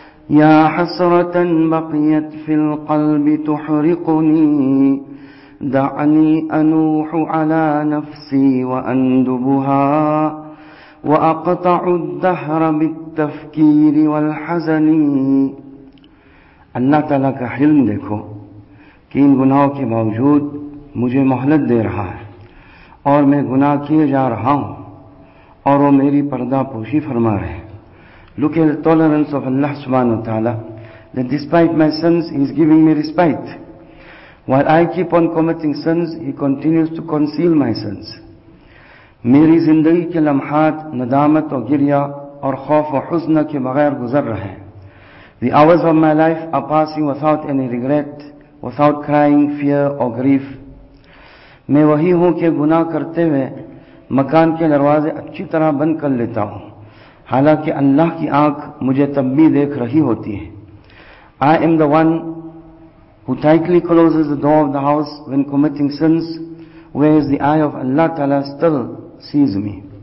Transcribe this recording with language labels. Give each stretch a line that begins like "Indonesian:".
Arabic: يا حسرة بقيت في القلب تحرقني دعني أنوح على نفسي وأندبها وأقطع الدهر بالتفكير والحزن.
Urdu: اللہ تعالیٰ کا حلم دیکھو کہ ان گناہوں کے باوجود مجھے مہلت دے رہا ہے اور میں گناہ کیے جا رہا ہوں اور وہ میری پردہ پوشی فرما رہے ہیں.
English: Look at the tolerance of Allah subhanahu wa ta'ala, that despite my sins, He is giving me respite. While I keep on committing sins, He continues to conceal my sins.
Urdu: میری زندگی کے لمحات ندامت اور گریہ اور خوف و حزن کے بغیر گزر رہے.
English: The hours of my life are passing without any regret, without crying, fear or grief.
Urdu: میں وہی ہوں کہ گناہ کرتے ہوئے مکان کے دروازے اچھی طرح بند کر لیتا ہوں حالانکہ اللہ کی آنکھ مجھے تب بھی دیکھ رہی ہوتی ہے.
English: I am the one who tightly closes the door of the house when committing sins, whereas the eye of Allah Ta'ala still sees me.